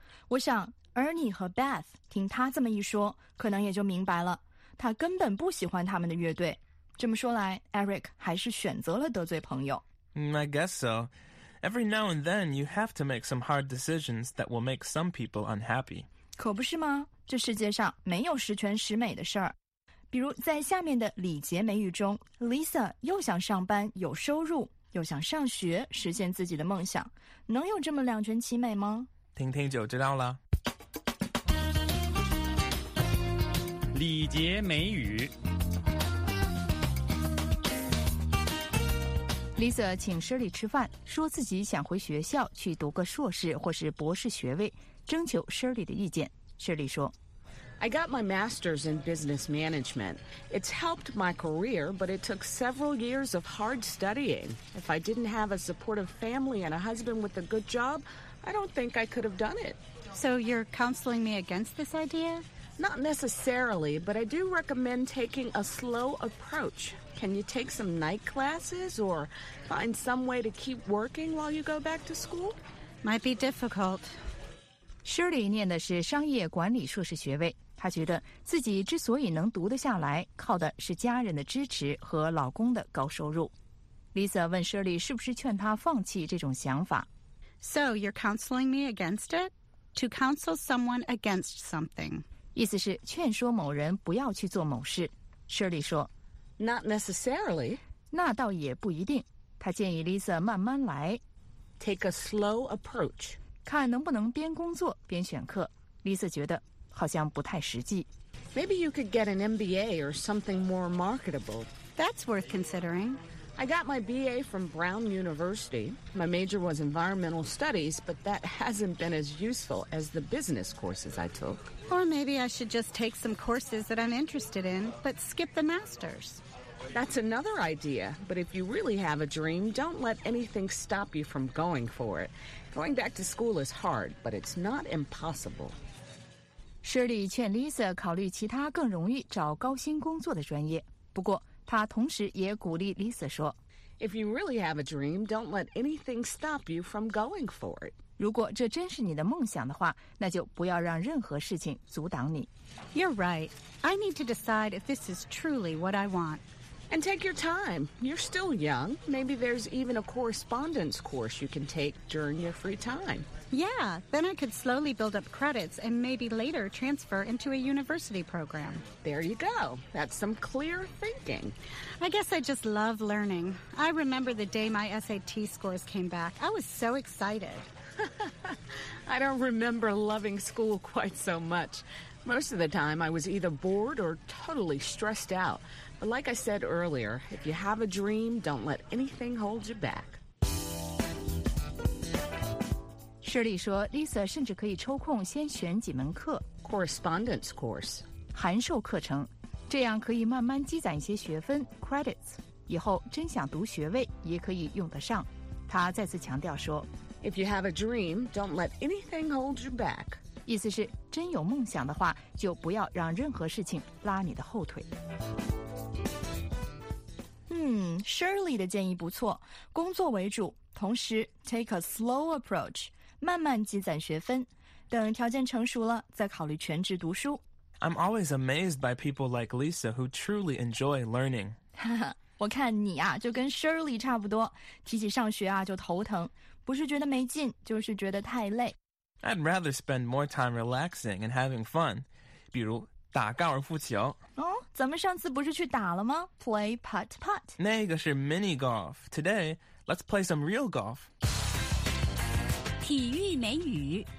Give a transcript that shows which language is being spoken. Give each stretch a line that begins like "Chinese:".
Chinese: 我想 Ernie 和 Beth 听他这么一说，可能也就明白了，他根本不喜欢他们的乐队。这么说来 ，Eric 还是选择了得罪朋友。
English: I guess so. Every now and then, you have to make some hard decisions that will make some people unhappy.
Chinese: 可不是吗？这世界上没有十全十美的事儿。比如在下面的礼节美语中 ，Lisa 又想上班有收入，又想上学实现自己的梦想，能有这么两全其美吗？听听就知道了。礼节美语。 Lisa 请 Shirley 吃饭，说自己想回学校去读个硕士或是博士学位，征求 Shirley 的意见。Shirley 说
English: ：“I got my master's in business management. It's helped my career, but it took several years of hard studying. If I didn't have a supportive family and a husband with a good job, I don't think I could have done it. So you're counseling me against this idea? Not necessarily, but I do recommend taking a slow approach.” Can you take some night classes or find some way to keep working while you go back to school? Might be difficult.
Chinese: Shirley 念的是商业管理硕士学位，她觉得自己之所以能读得下来，靠的是家人的支持和老公的高收入。 Lisa 问 Shirley 是不是劝她放弃这种想法。
English: So you're counseling me against it? To counsel someone against something.
Chinese: 意思是劝说某人不要去做某事。 Shirley 说
English: Not necessarily.
Chinese: 那倒也不一定。他建议 Lisa 慢慢来。
English: Take a slow approach.
Chinese: 看能不能边工作边选课。 Lisa 觉得好像不太实际。
English: Maybe you could get an MBA or something more marketable. That's worth considering. I got my BA from Brown University. My major was environmental studies, but that hasn't been as useful as the business courses I took. Or maybe I should just take some courses that I'm interested in, but skip the master's. That's another idea, but if you really have a dream, don't let anything stop you from going for it. Going back to school is hard, but it's not impossible.
Chinese: Shirley 劝 Lisa 考虑其他更容易找高薪工作的专业。不过他同时也鼓励 Lisa 说
English: If you really have a dream, don't let anything stop you from going for it.
Chinese: 如果这真是你的梦想的话，那就不要让任何事情阻挡你。
English: You're right. I need to decide if this is truly what I want. And take your time. You're still young. Maybe there's even a correspondence course you can take during your free time. Yeah, then I could slowly build up credits and maybe later transfer into a university program. There you go. That's some clear thinking. I guess I just love learning. I remember the day my SAT scores came back. I was so excited. I don't remember loving school quite so much. Most of the time, I was either bored or totally stressed out. But like I said earlier, if you have a dream, don't let anything hold you back.
Chinese: Shirley 说 Lisa 甚至可以抽空先选几门课
English: Correspondence course
Chinese: 函授课程这样可以慢慢积攒一些学分 credits 以后真想读学位也可以用得上他再次强调说
English: If you have a dream, don't let anything hold you back
Chinese: 意思是真有梦想的话就不要让任何事情拉你的后腿Shirley 的建议不错工作为主同时
English: take a slow approach
Chinese: 慢慢积攒学分，等条件成熟了再考虑全职读书。
English: I'm always amazed by people like Lisa who truly enjoy learning.
Chinese: 我看你啊，就跟 Shirley 差不多，提起上学啊就头疼，不是觉得没劲，就是觉得太累。
English: I'd rather spend more time relaxing and having fun.
Chinese: 比如打高尔夫球。哦，咱们上次不是去打了吗 ？
English: Play putt putt.
Chinese: 那个是
English: mini golf. Today, let's play some real golf.
Chinese: 体育美语